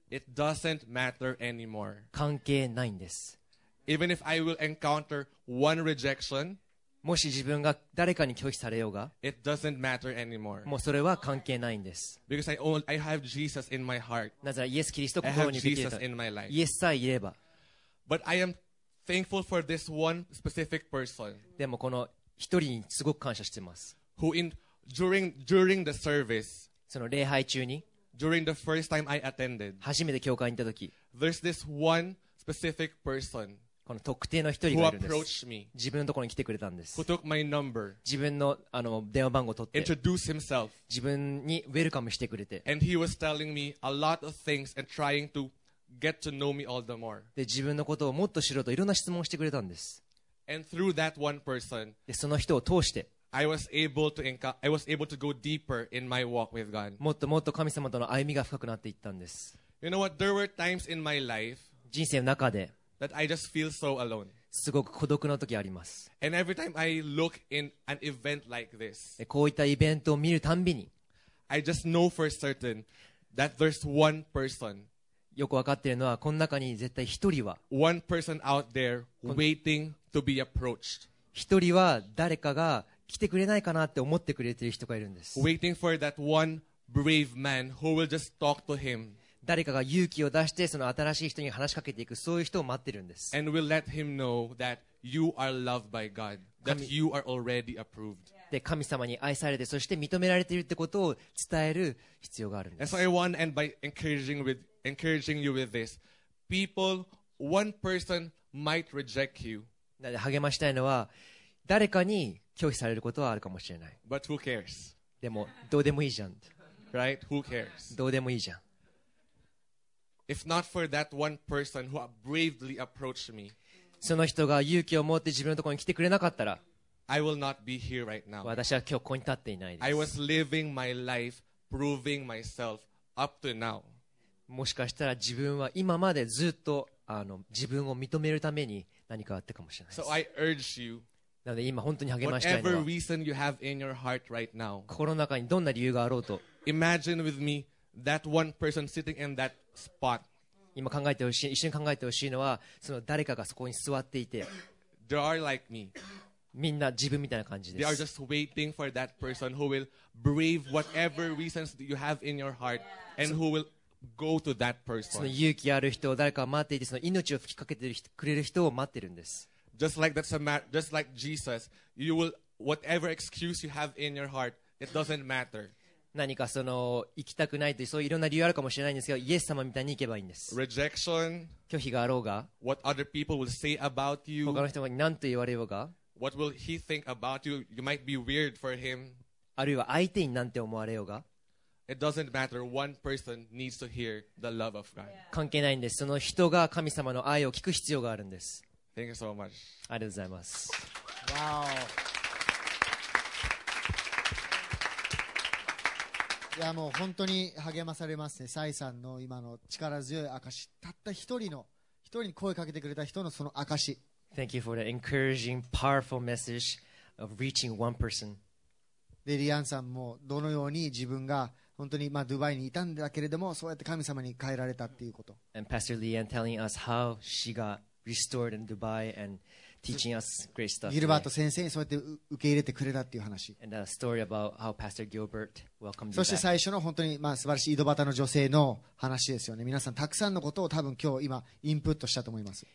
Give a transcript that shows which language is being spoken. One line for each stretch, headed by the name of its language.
English: It doesn't matter anymore.
Japanese: 関係ないんです。
English: Even if I will encounter one rejection,
Japanese: もし自分が誰かに拒否されようが、
English: it doesn't matter anymore.
Japanese: もうそれは関係ないんです。
English: Because I have Jesus in my heart.
Japanese: なぜならイエス・キリスト心にでき
English: た。I have Jesus in my life.
Japanese: イエスさえいれば。
English: But I am thankful for this one specific person.
Japanese: でもこの一人にすごく感謝しています。
English: Who in during the service,
Japanese: その礼拝中に、
English: during the first time I attended,
Japanese: 初めて教会に行った時、
English: there's this one. Specific person
Japanese: この特定の人がいるんです。
English: Who approached me,
Japanese: 自分のところに来てくれたんです。
English: Who took my number,
Japanese: 自分の、電話番号を取って
English: introduce himself,
Japanese: 自分にウェルカムしてくれて、
English: and he was telling me a lot of things and trying to get to know me all the more.
Japanese: で自分のことをもっと知ろうといろんな質問をしてくれたんです。
English: and through that one person,
Japanese: でその人を通して
English: I was able to go deeper in my walk with God.
Japanese: もっともっと神様との歩みが深くなっていったんです。
English: You know what, there were times in my life
Japanese: 人生の中で、
English: that I just feel so alone.
Japanese: すごく孤独な時あります。
English: And every time I look in an event like this,
Japanese: こういったイベントを見るたんびに、
English: I just know for certain that there's one person.
Japanese: よくわかっているのは、この中に絶対一人は、
English: one person out there waiting to be approached.
Japanese: 一人は誰かが来てくれないかなって思ってくれている人がいるんです。
English: Waiting for that one brave man who will just talk to him.
Japanese: 誰かが勇気を出してその新しい人に話しかけていく、そういう人を待ってるんです。
English: And we'll let him know that you are loved by God, that you are already approved.
Japanese: で、神様に愛されて、そして認められているってことを伝える必要があるんです。
English: And so I want to end by encouraging you with this. People, one person might reject you.
Japanese: なので励ましたいのは、誰かに拒否されることはあるかもしれない。
English: But who cares?
Japanese: でも、どうでもいいじゃん。
English: Right? Who cares?
Japanese: どうでもいいじゃん。
English: If not for that one person who bravely approached me,
Japanese: その人が勇気を持って自分のところに来てくれなかったら、
English: I will not be here right now.
Japanese: 私は今日ここに立っていないです。
English: I was living my life, proving myself up to now.
Japanese: もしかしたら自分は今までずっと自分を認めるために何かあったかもしれないです。
English: So I urge you.
Japanese: なので今本当に励ましたいのは、
English: whatever reason you have in your heart right now.
Japanese: 心の中にどんな理由があろうと。
English: Imagine with me that one person sitting in that spot.
Japanese: 今考えてほしい、一緒に考えてほしいのは、その誰かがそこに座っていて。
English: They are like me.
Japanese: みんな自分みたいな感じです。
English: They are just waiting for that person who will brave whatever reasons you have in your heart and who will go to that person.
Japanese: その勇気ある人を誰かが待っていて、その命を吹きかけてくれる人を待ってるんです。
English: Just like that Samaritan, just like Jesus, you will whatever excuse you have in your heart, it doesn't matter.
Japanese: 何かその行きたくないというそういろんな理由あるかもしれないんですけど、イエス様みたいに行けばいいんです。
English: Rejection,
Japanese: 拒否があろうが、
English: what other people will say about you,
Japanese: 他の人が何と言われようが。
English: What will he think about you? You might be weird for him.
Japanese: あるいは相手になんて思われようが。
English: It doesn't matter. One person needs to hear the love of God.
Japanese: 関係ないんです。その人が神様の愛を聞く必要があるんです。
English: Thank you so much.
Japanese: ありがとうございます。
English: Wow.
Japanese: いやもう本当に励まされますね。サイさんの今の力強い証。たった一人に声かけてくれた人のその証。
English: Thank you for the encouraging, powerful message of reaching one person.
Japanese: で、リアンさんもどのように自分が本当にまあドバイにいたんだけれども、そうやって神様に変えられたっていうこと。
English: And Pastor Leanne telling us how she got restored in Dubai and teaching us great stuff.
Japanese: ギルバート先生にそうやって受け入れてくれたっていう話。
English: And a story about how Pastor Gilbert welcomed.
Japanese: そして最初の本当にまあ素晴らしい井戸端の女性の話ですよね。皆さんたくさんのことを多分今日今インプットしたと思います。